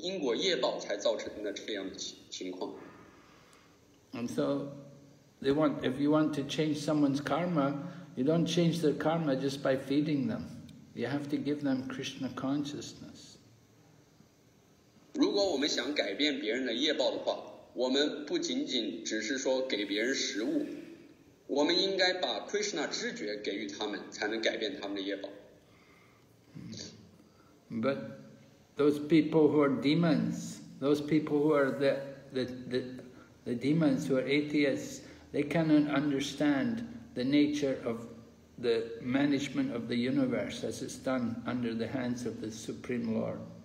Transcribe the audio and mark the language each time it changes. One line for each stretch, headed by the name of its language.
Chinese: 有一些人很穷、挨饿，这不是说偶然才发生的，这是由于他们的因果业报才造成的这样的情况。
English: And so, they want, if you want to change someone's karma, you don't change their karma just by feeding them. You have to give them Krishna consciousness.
Chinese: 如果我们想改变别人的业报的话，我们不仅仅只是说给别人食物，我们应该把 Krishna 知觉给予他们，才能改变他们的业报。
English: But those people who are demons, those people who are the demons who are atheists, they cannot understand the nature of the management of the universe as it's done under the hands of the Supreme Lord.